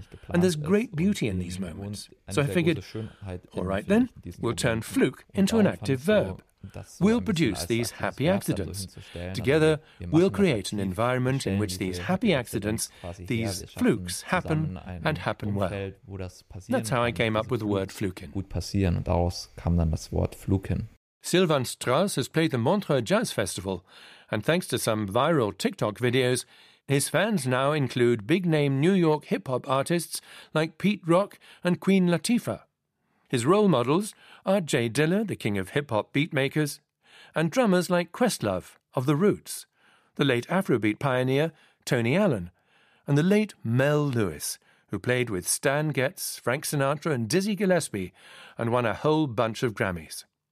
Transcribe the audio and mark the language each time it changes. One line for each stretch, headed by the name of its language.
English: And there's great beauty in these moments. So I figured, all right then, we'll turn fluke into an active verb. We'll produce these happy accidents. Together, we'll create an environment in which these happy accidents, these flukes, happen and happen well. That's how I came up with the word fluken.
German: Gut passieren, und daraus kam dann das Wort fluken.
English: Sylvain Strauss has played the Montreux Jazz Festival, and thanks to some viral TikTok videos, his fans now include big-name New York hip-hop artists like Pete Rock and Queen Latifah. His role models are Jay Dilla, the king of hip-hop beatmakers, and drummers like Questlove of The Roots, the late Afrobeat pioneer Tony Allen, and the late Mel Lewis, who played with Stan Getz, Frank Sinatra and Dizzy Gillespie and won a whole bunch of Grammys.